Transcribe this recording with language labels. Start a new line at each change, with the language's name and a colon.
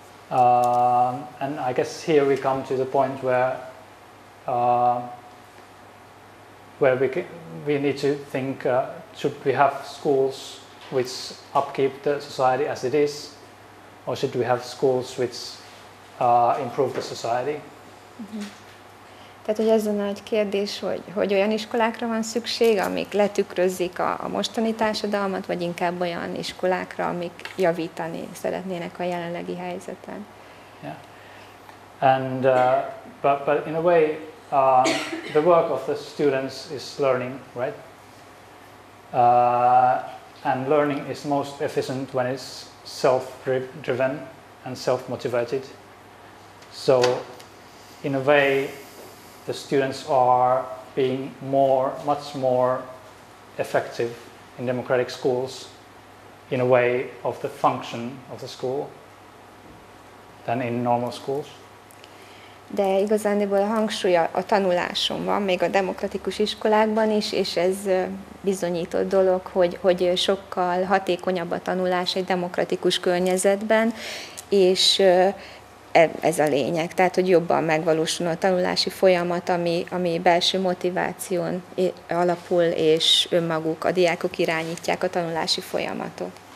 English: And I guess here we come to the point where we need to think, should we have schools which upkeep the society as it is, or should we have schools which improve the society?
Hungarian: Tehát, hogy ez a nagy kérdés, hogy olyan iskolákra van szükség, amik letükrözik a mostani társadalmat, vagy inkább olyan iskolákra, amik javítani szeretnének a jelenlegi helyzeten.
English: Yeah. And but in a way, the work of the students is learning, right? And learning is most efficient when it's self-driven and self-motivated. So in a way, the students are being much more effective in democratic schools in a way of the function of the school than in normal schools.
Hungarian: De igazándiból a hangsúly a tanuláson van, még a demokratikus iskolákban is, és ez bizonyított dolog, hogy sokkal hatékonyabb a tanulás egy demokratikus környezetben, és ez a lényeg. Tehát, hogy jobban megvalósul a tanulási folyamat, ami belső motiváción alapul, és önmaguk, a diákok irányítják a tanulási folyamatot.